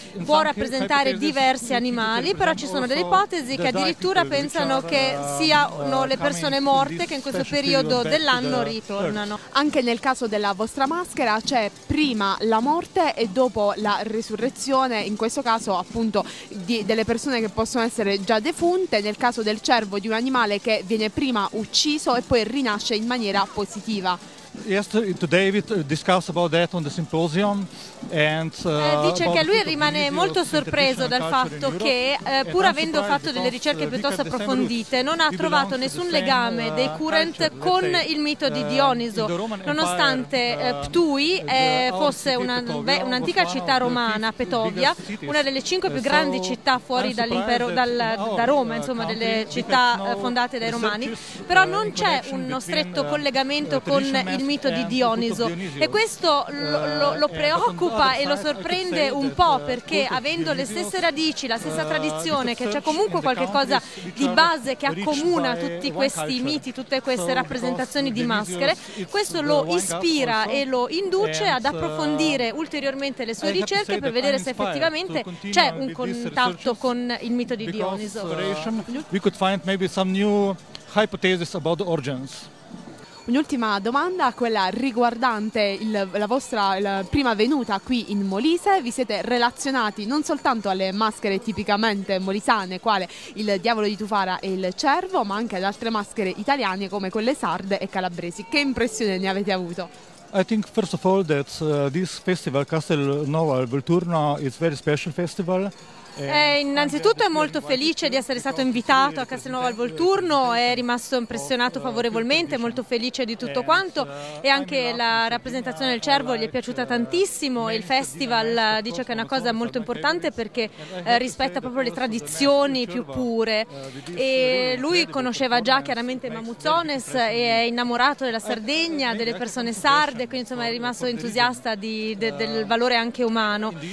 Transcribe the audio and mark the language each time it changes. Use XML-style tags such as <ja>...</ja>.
<it>Può rappresentare diversi animali, però ci sono delle ipotesi che addirittura pensano che siano le persone morte che in questo periodo dell'anno ritornano. Anche nel caso della vostra maschera c'è prima la morte e dopo la resurrezione, in questo caso appunto delle persone che possono essere già defunte, nel caso del cervo di un animale che viene prima ucciso e poi rinasce in maniera positiva.</it> <en>Today we discuss about that on the symposium and,</en> <it>dice che lui rimane molto sorpreso dal fatto che pur avendo fatto delle ricerche piuttosto approfondite non ha trovato nessun legame dei Korant con il mito di Dioniso, nonostante Ptui fosse un'antica città romana, Petovia, una delle cinque più grandi città fuori dall'impero, da Roma, insomma delle città fondate dai romani, però non c'è uno stretto collegamento con il mito di Dioniso, e questo lo preoccupa e lo sorprende un po', perché avendo le stesse radici, la stessa tradizione, che c'è comunque qualche cosa di base che accomuna tutti questi miti, tutte queste rappresentazioni di maschere, questo lo ispira e lo induce ad approfondire ulteriormente le sue ricerche per vedere se effettivamente c'è un contatto con il mito di Dioniso.</it> <en>We could find maybe some new hypothesis about the origins.</en> <it>Un'ultima domanda, quella riguardante la prima venuta qui in Molise. Vi siete relazionati non soltanto alle maschere tipicamente molisane, quale il diavolo di Tufara e il cervo, ma anche ad altre maschere italiane come quelle sarde e calabresi. Che impressione ne avete avuto?</it> <en>I think first of all that this festival Castelnuovo al Volturno is very special festival.</en> <it>Innanzitutto è molto felice di essere stato invitato a Castelnuovo al Volturno, è rimasto impressionato favorevolmente, molto felice di tutto quanto, e anche la rappresentazione del cervo gli è piaciuta tantissimo. Il festival dice che è una cosa molto importante perché rispetta proprio le tradizioni più pure, e lui conosceva già chiaramente Mamuzones e è innamorato della Sardegna, delle persone sarde, quindi insomma è rimasto entusiasta del valore anche umano.</it>